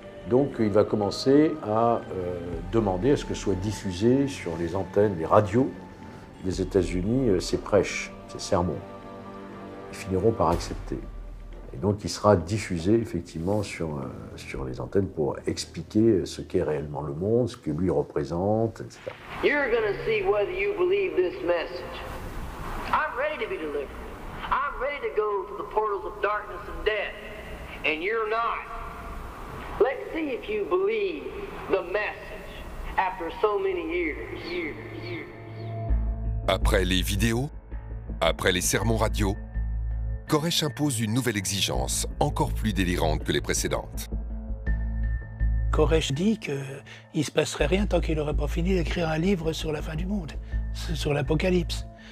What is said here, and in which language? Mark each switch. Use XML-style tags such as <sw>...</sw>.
<fr>Donc il va commencer à demander à ce que soient diffusés sur les antennes, les radios des États-Unis ses prêches, ses sermons. Ils finiront par accepter. Et donc, il sera diffusé, effectivement, sur les antennes pour expliquer ce qu'est réellement le monde, ce que lui représente, etc.</fr> <en>You're going to see whether you believe this message. I'm ready to be delivered. I'm ready to go to the portals of darkness and death. And you're not. Let's see if you believe the message after so many years.</en> <fr>Après les vidéos, après les sermons radio, Koresh impose une nouvelle exigence, encore plus délirante que les précédentes. Koresh dit qu'il ne se passerait rien tant qu'il n'aurait pas fini d'écrire un livre sur la fin du monde, sur l'Apocalypse.</fr>